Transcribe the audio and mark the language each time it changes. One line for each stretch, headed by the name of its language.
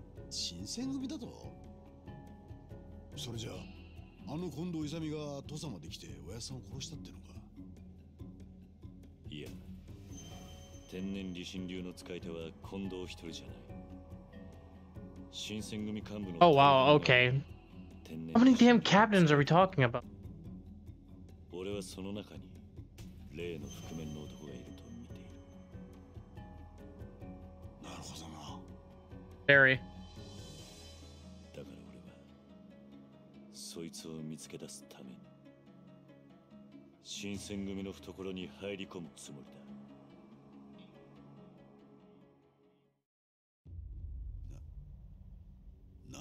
Japanese: 新選組だと。それじゃあ、あの近藤勇が土佐まで来て親さんを殺したってのか。いや、天然理心流の使い手は近藤一人じゃない。新選組幹部の。
English: Oh wow, okay. How many damn captains are we talking about?
Japanese: 俺はその中に例の覆面の男がいると見ている。なるほどな。
English: Barry.
Japanese: そいつを見つけ出すために新選組の懐に入り込むつもりだ。